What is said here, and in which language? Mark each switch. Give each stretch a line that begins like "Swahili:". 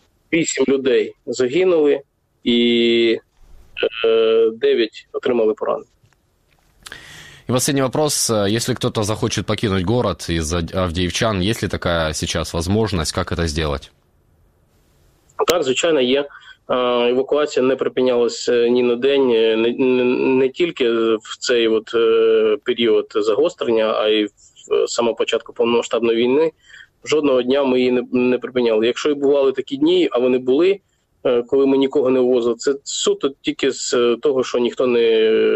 Ukrainian: 8 людей загинули і 9 отримали поранення.
Russian: И последний вопрос. Если кто-то захочет покинуть город из-за Авдіївчан, есть ли такая сейчас возможность, как это сделать?
Ukrainian: Так, звичайно, є. Евакуація не припинялась ні на день, не тільки в цей от період загострення, а й в самого початку повномасштабної війни. Жодного дня ми її не припиняли. Якщо і бували такі дні, а вони були, коли ми нікого не увозили, це суто тільки з того, що ніхто не...